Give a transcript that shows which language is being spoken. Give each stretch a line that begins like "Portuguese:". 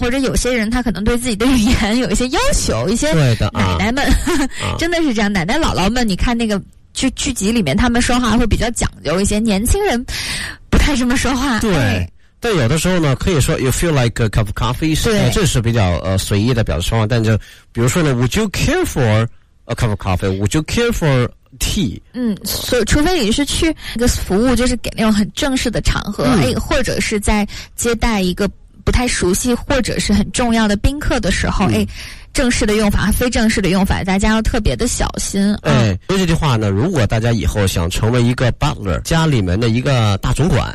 Chinese: 或者有些人他可能对自己的语言有一些要求，一些奶奶们、啊、真的是这样，奶奶姥姥们，你看那个就剧集里面他们说话会比较讲究一些，年轻人不太这么说话。对。哎，但有的时候呢，可以说
English: you feel like a cup of coffee,
Chinese: 对、这是比较随意的表示方法。但就比如说呢，
English: would you care for a cup of coffee? Would you care for tea?
Chinese: 嗯，所以除非你是去一个服务，就是给那种很正式的场合、嗯、哎，或者是在接待一个不太熟悉或者是很重要的宾客的时候、嗯、哎，正式的用法和非正式的用法大家要特别的小心。哎，说这句话呢，如果大家以后想成为一个 butler, 家里面的一个大总管，